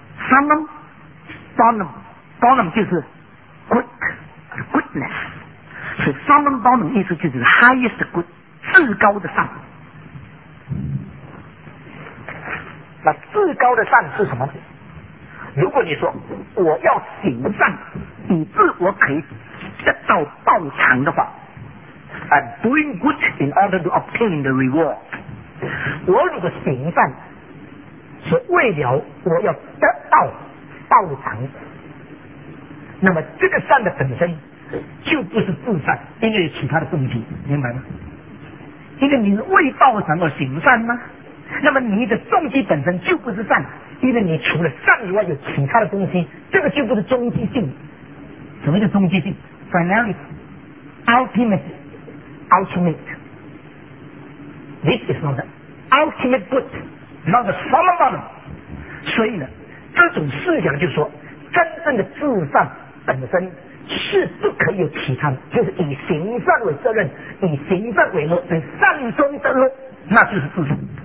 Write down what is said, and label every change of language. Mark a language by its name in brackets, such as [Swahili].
[Chinese] Summum, bonum, bonum 就是 goodness， 所以 summum bonum 意思就是 [English] highest good， [Chinese] 至高的善。那至高的善是什么？如果你说我要行善，以致我可以得到报偿的话。 [English] I'm doing good in order to obtain the reward. [Chinese] 我如果行善是为了我要得到报偿，那么这个善的本身就不是自善，因为有其他的动机，明白吗？因为你是为报偿而行善吗？那么你的动机本身就不是善，因为你除了善以外有其他的东西，这个就不是终极性。什么叫终极性？ Finality, ultimate。Ultimate [English] This is not the ultimate good, not the sum of them. [Chinese] 所以呢，这种思想就是说，真正的至善本身是不可以有其他的，就是以行善为责任，以行善为乐，以善终得乐，那就是至善。